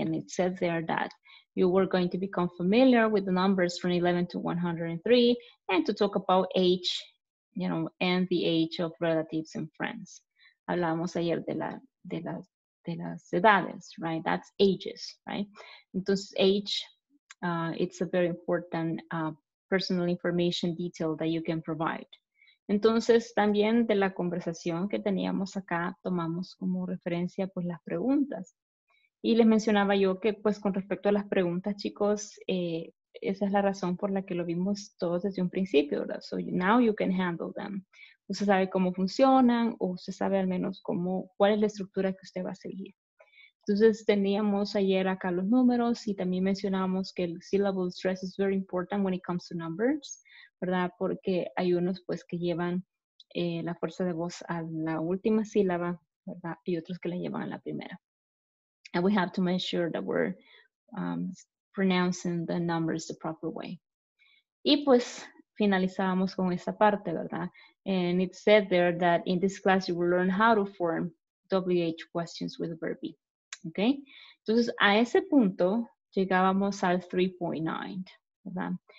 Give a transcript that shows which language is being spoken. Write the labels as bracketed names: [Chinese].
[English] And it says there that you were going to become familiar with the numbers from 11 to 103 and to talk about age, you know, and the age of relatives and friends. [Spanish] Hablamos ayer de las edades, [English] right? That's ages, right? Entonces, age, it's a very important personal information detail that you can provide. [Spanish] Entonces, también de la conversación que teníamos acá, tomamos como referencia, pues, las preguntas. Y les mencionaba yo que, pues, con respecto a las preguntas, chicos, esa es la razón por la que lo vimos todos desde un principio, ¿verdad? [English] So, now you can handle them. [Spanish] Usted sabe cómo funcionan o usted sabe al menos cómo, cuál es la estructura que usted va a seguir. Entonces, teníamos ayer acá los números y también mencionamos que el [English] syllable stress is very important when it comes to numbers, [Spanish] ¿verdad? Porque hay unos, pues, que llevan la fuerza de voz a la última sílaba, ¿verdad? Y otros que la llevan a la primera. [English] And we have to make sure that we're pronouncing the numbers the proper way. [Spanish] Y, pues, finalizábamos con esa parte, ¿verdad? [English] And it said there that in this class you will learn how to form WH questions with a verb be. [Spanish] Okay? Entonces, a ese punto, llegábamos al 3.9, ¿verdad?